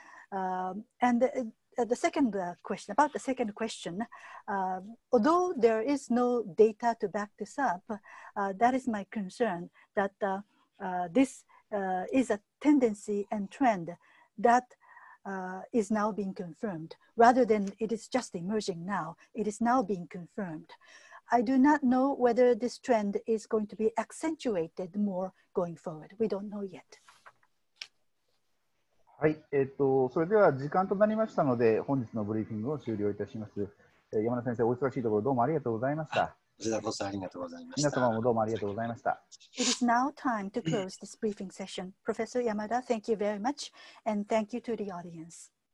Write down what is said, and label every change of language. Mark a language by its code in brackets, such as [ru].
[en] And the second question, although there is no data to back this up, that is my concern that this is a tendency and trend that is now being confirmed. Rather than it is just emerging now, it is now being confirmed. I do not know whether this trend is going to be accentuated more going forward. We don't know yet. [ja] はい、それでは時間となりましたので、本日のブリーフィングを終了いたします。山田先生、お忙しいところどうもありがとうございました。こちらこそありがとうございました。皆様もどうもありがとうございました。 [en] It is now time to close this briefing session. Professor Yamada, thank you very much, and thank you to the audience.